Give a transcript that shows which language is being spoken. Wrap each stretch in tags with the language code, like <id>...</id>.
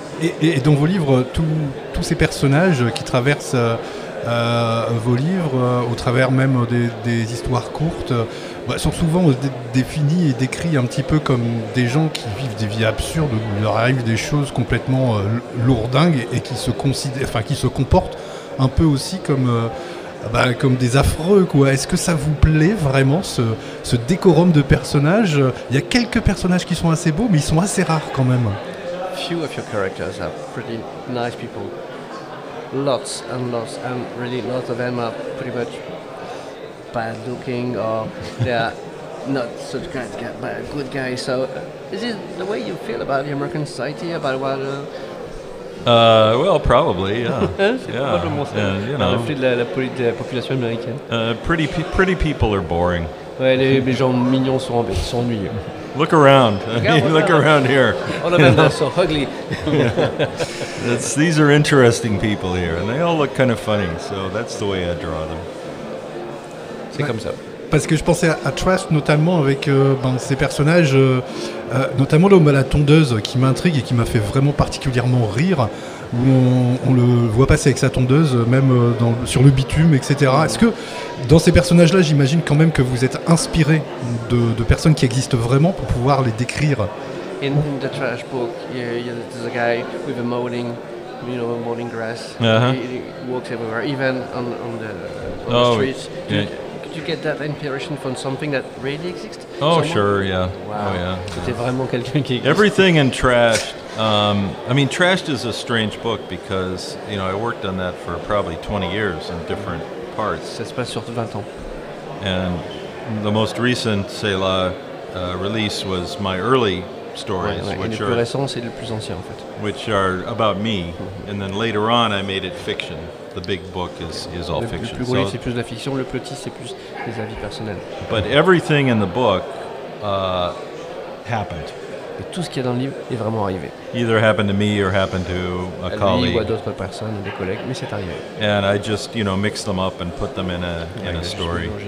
<fr>Et dans vos livres, tous ces personnages qui traversent vos livres, au travers même des histoires courtes, sont souvent définis et décrits un petit peu comme des gens qui vivent des vies absurdes, où leur arrivent des choses complètement lourdingues et qui se considèrent, enfin qui se comportent un peu aussi comme... comme des affreux, quoi. Est-ce que ça vous plaît vraiment ce décorum de personnages? Il y a quelques personnages qui sont assez beaux, mais ils sont assez rares quand même.</fr> <en>Few of your characters are pretty nice people. Lots and lots, and really lots of them are pretty much bad looking, or they are not such kind of guy, but a good guy. So, is it the way you feel about the American society, about what? Well, probably, yeah.</en> <fr>C'est probablement ça. De la population américaine.</fr> <en>Pretty people are boring.</en> <fr>Ouais, les gens mignons sont ennuyeux.</fr> <en>Look around. Look around here. All of them are so ugly. These are interesting people here, and they all look kind of funny, so that's the way I draw them.</en> <fr>C'est comme ça. Parce que je pensais à Trust, notamment avec ces personnages, notamment l'homme à la tondeuse qui m'intrigue et qui m'a fait vraiment particulièrement rire, où on le voit passer avec sa tondeuse, même sur le bitume, etc. Est-ce que dans ces personnages-là, j'imagine quand même que vous êtes inspiré de personnes qui existent vraiment pour pouvoir les décrire?</fr> <en>In the Trash book, there's a guy with a mowing, you know, mowing grass. Uh-huh. He walks everywhere, even on the streets. Yeah. Did you get that inspiration from something that really exists? Oh, someone? Sure, yeah. Wow. Oh, yeah.</en> <fr>C'était vraiment quelqu'un qui existe.</fr> <en>Everything in Trashed. Trashed is a strange book because, you know, I worked on that for probably 20 years in different parts.</en> <fr>Ça se passe sur 20 ans.</fr> <en>And the most recent,</en> <fr>c'est la</fr> <en>release, was my early stories.</en> <fr>Ouais, ouais.</fr> <en>Which</en> <fr>le plus récent, c'est le plus ancien, en fait.</fr> <en>Which are about me. Mm-hmm. And then later on, I made it fiction. The big book is all fiction.</en> <fr>Le plus gros, c'est plus la fiction. Le petit, c'est plus des avis personnels.</fr> <en>But everything in the book happened.</en> <fr>Et tout ce qu'il y a dans le livre est vraiment arrivé.</fr> <en>Either happened to me or happened to a colleague.</en> <fr>Lui ou à d'autres personnes, des collègues, mais c'est arrivé.</fr> <en>And I just, you know, mix them up and put them in a story.</en>